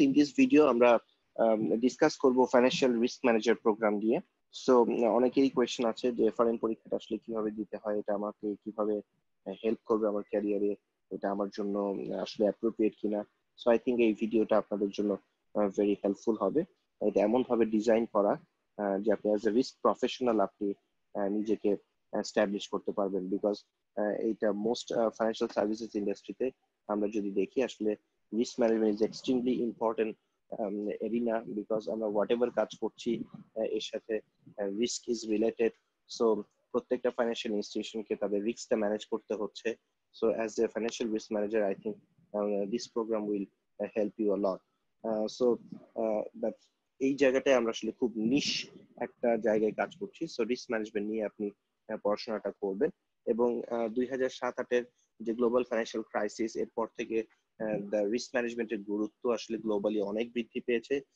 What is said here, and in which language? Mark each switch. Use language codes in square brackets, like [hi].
[en] In this video, [bn] আমরা [en] discuss [bn] করব [en] financial risk manager program দিয়ে. [bn] So অনেকেরই question আছে যে FRM পরীক্ষাটা আসলে কিভাবে দিতে হয়, এটা আমাকে কিভাবে [en] help [bn] করবে আমার ক্যারিয়ারে, এটা আমার জন্য আসলে appropriate কিনা. [en] So I think [bn] এই ভিডিওটা আপনাদের জন্য [en] very helpful [bn] হবে. এটা এমন ভাবে [en] design [bn] করা যে আপনি [en] as a risk professional [bn] আপনি নিজেকে [en] establish [bn] করতে পারবেন, [en] because [bn] এটা [en] most financial services industry-তে [bn] আমরা যদি দেখি আসলে [en] risk management is extremely important arena, because [bn] আমরা [en] whatever [bn] কাজ করছি এর সাথে [en] risk is related. [bn] So প্রত্যেকটা financial institution কে তাদের risk-টা manage করতে হচ্ছে. [en] So as a financial risk manager, I think this program will help you a lot. [bn] So that এই জায়গাটায় আমরা আসলে খুব niche একটা জায়গায় কাজ করছি. [en] So risk management [bn] নিয়ে আপনি পড়াশোনাটা করবেন, এবং 2007-08 যে গ্লোবাল ফাইন্যান্সিয়াল ক্রাইসিস, এরপর থেকে দ্য রিস্ক ম্যানেজমেন্টের গুরুত্ব আসলে গ্লোবালি অনেক বৃদ্ধি পেয়েছে.